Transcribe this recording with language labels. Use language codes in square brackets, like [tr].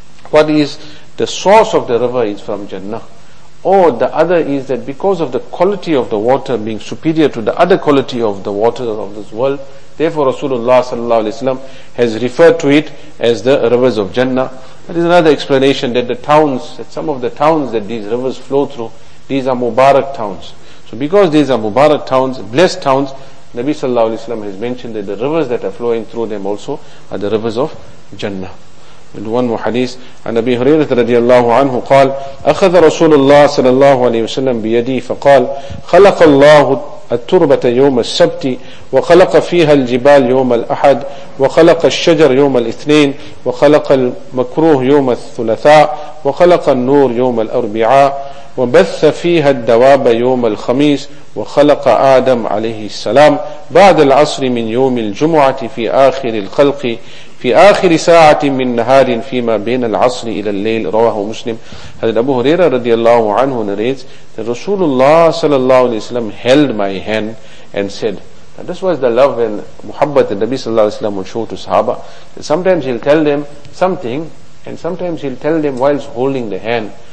[en] What is the source of the river is from Jannah. Or the other is that because of the quality of the water being superior to the other quality of the water of this world, therefore Rasulullah sallallahu alaihi wasallam has referred to it as the rivers of Jannah. That is another explanation, that the towns, that some of the towns that these rivers flow through, these are Mubarak towns. So because these are Mubarak towns, blessed towns, Nabi sallallahu alaihi wasallam has mentioned that the rivers that are flowing through them also are the rivers of Jannah. And one more hadith, and Abi Hurairah radiallahu anhu qal, [ar] أخذ رسول الله صلى الله عليه وسلم بيدي فقال خلق الله التربة يوم السبت، وخلق فيها الجبال يوم الأحد، وخلق الشجر يوم الاثنين، وخلق المكروه يوم الثلاثاء، وخلق النور يوم الأربعاء، وبث فيها الدواب يوم الخميس، وخلق آدم عليه السلام بعد العصر من يوم الجمعة في آخر الخلق في آخر ساعة من نهار فيما بين العصر إلى الليل. رواه مسلم. حضرت أبو هريرة رضي الله عنه [en] narrates that Rasulullah sallallahu alayhi wa sallam held my hand and said, and this was the love and muhabbat that Nabi sallallahu alayhi wa sallam would show to Sahaba. Sometimes he'll tell them something, and sometimes he'll tell them whilst holding the hand.